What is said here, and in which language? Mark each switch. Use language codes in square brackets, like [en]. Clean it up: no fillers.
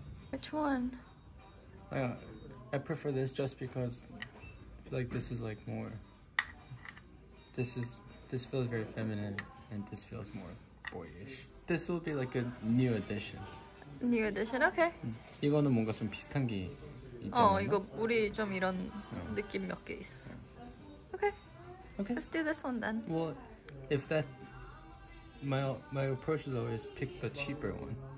[en] Which one? Yeah, I prefer this just because, like, this is like more. This feels very feminine, and this feels more boyish. This will be like a new addition. New addition, okay. [ko] 이거는 뭔가 좀 비슷한 게 있잖아. 어, 이거 물이 좀 이런 느낌 몇 개 있어. [en] Okay. Okay. Let's do this one then. Well, if that, my approach is always pick the cheaper one.